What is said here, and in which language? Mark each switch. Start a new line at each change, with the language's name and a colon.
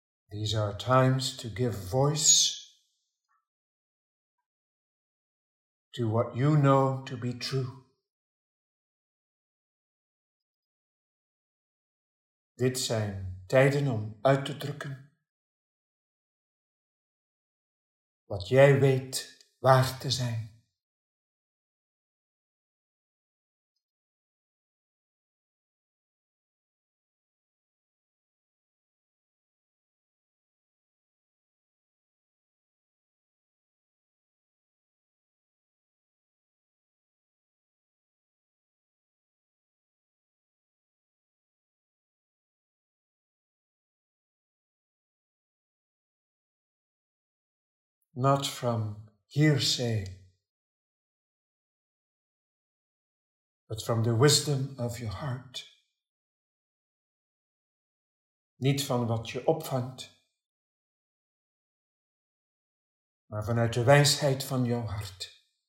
English: These are times to give voice to what you know to be true.
Dutch: Dit zijn tijden om uit te drukken wat jij weet waar te zijn.
English: Not from hearsay, but from the wisdom of your heart.
Dutch: Niet van wat je opvangt, maar vanuit de wijsheid van jouw hart.